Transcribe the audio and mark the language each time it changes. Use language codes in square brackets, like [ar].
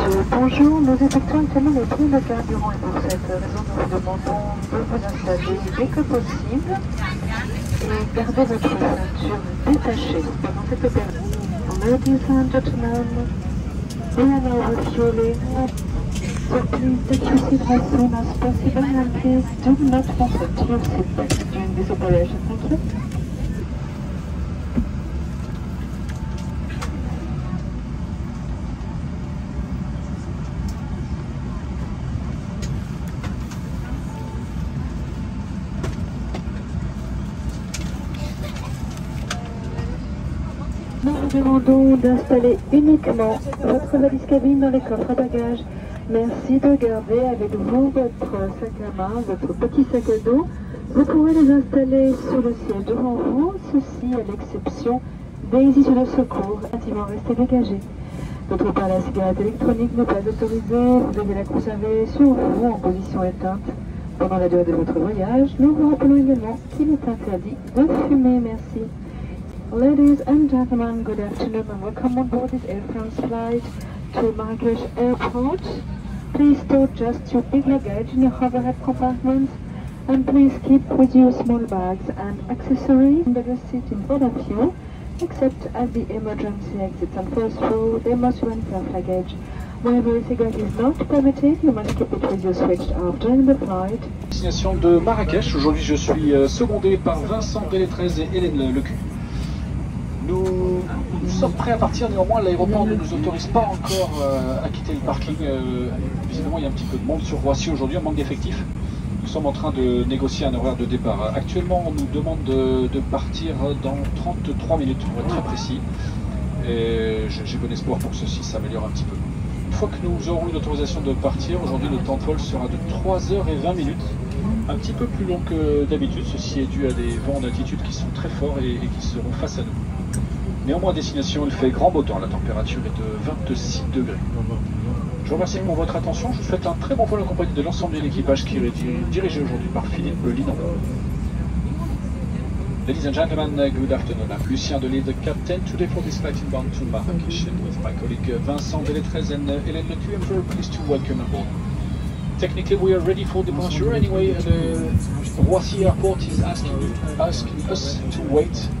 [fr] Bonjour, nous effectuons actuellement les prises de carburant et pour cette raison nous vous demandons de vous installer dès que possible et garder notre ceinture détachée pendant cette période. [en] Ladies and gentlemen, we are now refueling. So please take your seat as soon as possible and please do not forget your seatbelt during this operation. Thank you. [fr] Nous demandons d'installer uniquement votre valise cabine dans les coffres à bagages. Merci de garder avec vous votre sac à main, votre petit sac à dos. Vous pourrez les installer sur le siège devant vous, ceci à l'exception des issues de secours. Intimement, restez dégagés. D'autre part, la cigarette électronique n'est pas autorisée. Vous devez la conserver sur vous en position éteinte pendant la durée de votre voyage. Nous vous rappelons également qu'il est interdit de fumer. Merci. [en] Ladies and gentlemen, good afternoon and welcome on board this Air France flight to Marrakech Airport. Please store just your big luggage in your overhead compartments and please keep with you small bags and accessories under the seat in front of you, except at the emergency exits and first row, the most important luggage. Whenever the cigarette is not permitted, you must keep it with you switched off during the flight. [fr] Destination de Marrakech. Aujourd'hui, je suis secondé par Vincent Deletrez et Hélène Lecu. Nous sommes prêts à partir, néanmoins l'aéroport ne nous autorise pas encore à quitter le parking. Visiblement il y a un petit peu de monde sur Roissy aujourd'hui, un manque d'effectifs. Nous sommes en train de négocier un horaire de départ. Actuellement on nous demande de partir dans 33 minutes, pour être très précis. Et j'ai bon espoir pour que ceci s'améliore un petit peu. Une fois que nous aurons une autorisation de partir, aujourd'hui le temps de vol sera de 3h20. Un petit peu plus long que d'habitude, ceci est dû à des vents d'altitude qui sont très forts et qui seront face à nous. Néanmoins, à destination, il fait grand beau temps, la température est de 26 degrés. Je vous remercie pour votre attention, je vous souhaite un très bon vol en compagnie de l'ensemble de l'équipage qui est dirigé aujourd'hui par Philippe Linan. [en] Ladies and gentlemen, good afternoon. I'm Lucien Delis, the captain today for this flight inbound to Marrakech with my colleague Vincent Deletrez and Hélène Lecu. I'm very pleased to welcome aboard. Technically, we are ready for departure. Anyway, the Roissy Airport is asking us to wait.